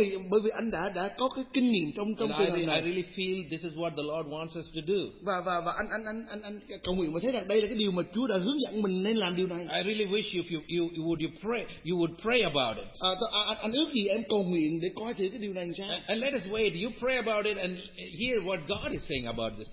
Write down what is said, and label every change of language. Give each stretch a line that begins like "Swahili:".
Vietnamese: Bởi vì anh đã có cái kinh nghiệm trong cái này.
English: I really feel this is what the Lord wants us to do.
Vietnamese: Và anh cầu nguyện và thấy rằng đây là cái điều mà Chúa đã hướng dẫn mình nên làm điều này.
English: I really wish you would pray about it.
Vietnamese: Anh ước gì em cầu nguyện để coi thử cái điều này sao.
English: And let us wait. You pray about it and hear what God is saying about this.